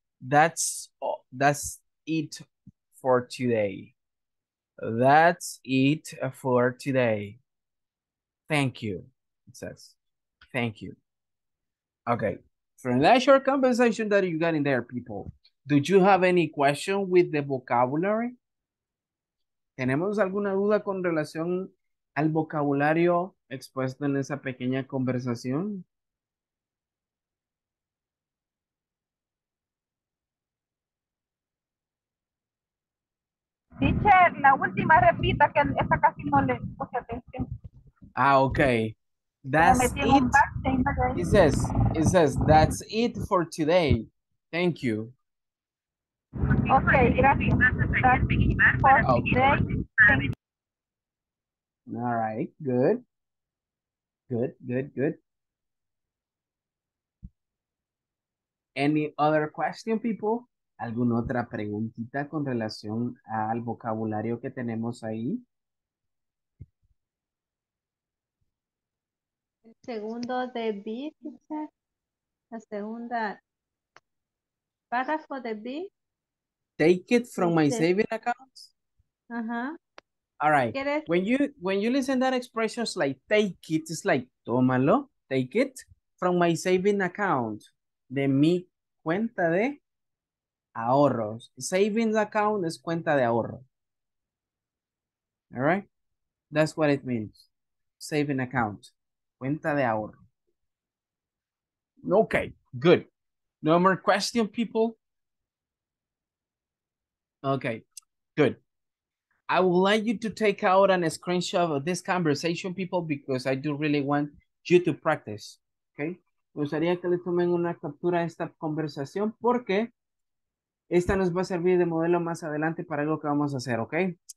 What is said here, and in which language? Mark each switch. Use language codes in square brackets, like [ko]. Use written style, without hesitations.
[en] That's it for today. That's it for today. Thank you. It says, thank you. Okay. From that short conversation that you got in there, people, do you have any question with the vocabulary? [es] ¿Tenemos alguna duda con relación al vocabulario expuesto en esa pequeña conversación? Teacher, la última repita que esa casi no le puse atención. [en] Ah, okay. That's it. It says that's it for today. Thank you. [es] Okay, gracias. [en] That's for today. All right, good. Good, good, good. Any other question, people? [es] ¿Alguna otra preguntita con relación al vocabulario que tenemos ahí? El segundo de B, la segunda párrafo de B. [en] Take it from my saving account. Uh-huh. All right. When you listen to that expression, it's like take it, it's like tómalo, take it from my saving account. [es] De mi cuenta de ahorros. [en] Savings account is [es] cuenta de ahorro. [en] All right? That's what it means. Saving account. [es] Cuenta de ahorro. [en] Okay, good. No more question, people? Okay, good. I would like you to take out a screenshot of this conversation, people, because I do really want you to practice. Okay? [es] Me gustaría que le tomen una captura a esta conversación porque esta nos va a servir de modelo más adelante para algo que vamos a hacer, ¿ok?